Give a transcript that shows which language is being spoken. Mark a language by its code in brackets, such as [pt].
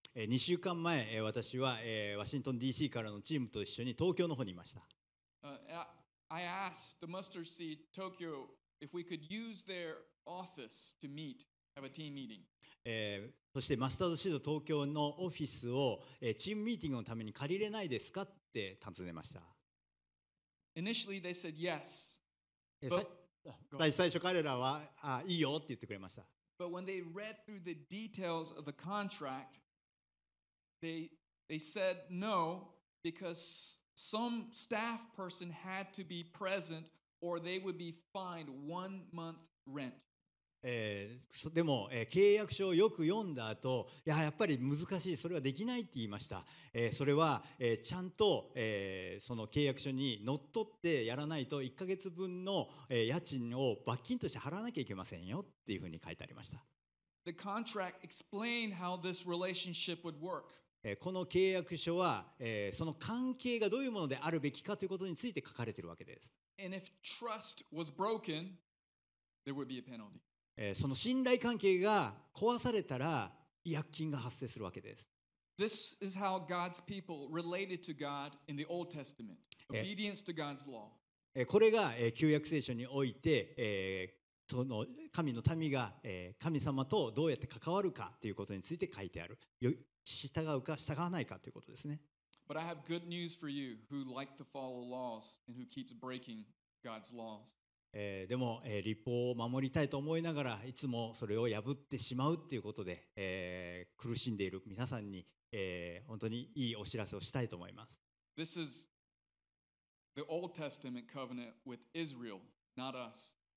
[ja] 2週間前、私はワシントン D.C. からのチームと一緒に東京の方にいました。 [en] I asked the mustard seed Tokyo if we could use their office to meet, have a team meeting. [ja] そしてマスタードシード東京のオフィスを、チームミーティングのために借りれないですかって尋ねました。 [en] Initially they said yes. [ja] 最初彼らはいいよって言ってくれました。 [en] But when they read through the details of the contract, they said no because. Some staff person had to be present, or they would be fined 1 month rent. [ja] でも、契約書をよく読んだ後、やっぱり難しい、それはできないって言いました。それは、ちゃんと、その契約書にのっとってやらないと、1ヶ月分の、家賃を罰金として払わなきゃいけませんよっていうふうに書いてありました。 [en] The contract explained how this relationship would work. [ja] この契約書は、その関係がどういうものであるべきかということについて書かれているわけです。 [en] And if trust was broken, there would be a penalty. [ja] その信頼関係が壊されたら、違約金が発生するわけです。 [en] This is how God's people related to God in the Old Testament. Obedience to God's law. [ja] これが、旧約聖書において、その神の民が、神様とどうやって関わるかということについて書いてある。従うか従わないかということですね。 [en] But I have good news for you who like to follow laws and who keeps breaking God's laws. [ja] でも、律法を守りたいと思いながらいつもそれを破ってしまうということで、苦しんでいる皆さんに、本当にいいお知らせをしたいと思います。 [en] This is the Old Testament covenant with Israel, not us.